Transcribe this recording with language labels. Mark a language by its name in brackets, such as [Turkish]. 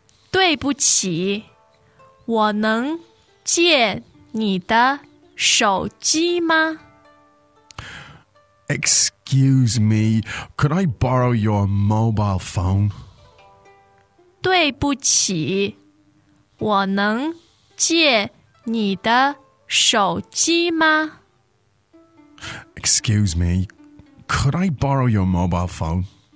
[Chinese] 对不起,我能借你的手机吗? [English] Excuse me, could I borrow your mobile phone? [Chinese] 对不起,我能借你的手机吗? [English] Excuse me, could I borrow your mobile phone?